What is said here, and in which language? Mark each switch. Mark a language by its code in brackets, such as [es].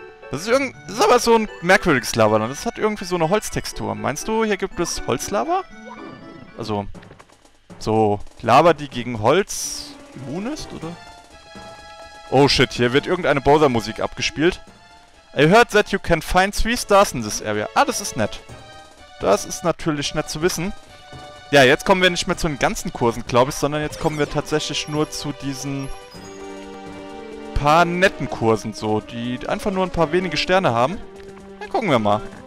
[de] Das ist aber so ein merkwürdiges Lavaland. Das hat irgendwie so eine Holztextur. Meinst du, hier gibt es Holzlava? Also, so Lava, die gegen Holz immun ist, oder? Oh shit, hier wird irgendeine Bowser-Musik abgespielt. [en] I heard that you can find 3 stars in this area. [de] Ah, das ist nett. Das ist natürlich nett zu wissen. Ja, jetzt kommen wir nicht mehr zu den ganzen Kursen, glaube ich, sondern jetzt kommen wir tatsächlich nur zu diesen paar netten Kursen, so, die einfach nur ein paar wenige Sterne haben. Dann gucken wir mal.